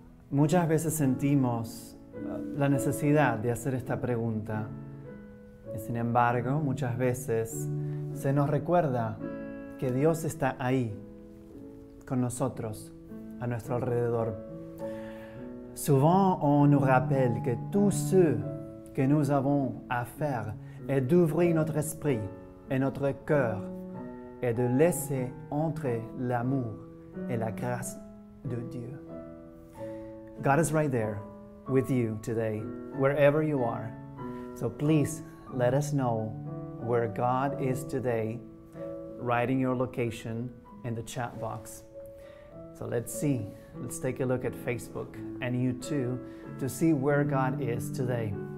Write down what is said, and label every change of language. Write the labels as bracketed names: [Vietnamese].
[Spanish] Muchas veces sentimos la necesidad de hacer esta pregunta. Y sin embargo, muchas veces se nos recuerda que Dios está ahí, con nosotros, a nuestro alrededor. [French] Souvent, on nous rappelle que tout ce que nous avons à faire est d'ouvrir notre esprit et notre cœur et de laisser entrer l'amour et la grâce de Dieu. [English] God is right there with you today, wherever you are. So please let us know where God is today, writing your location in the chat box. So let's see. Let's take a look at Facebook and you too to see where God is today.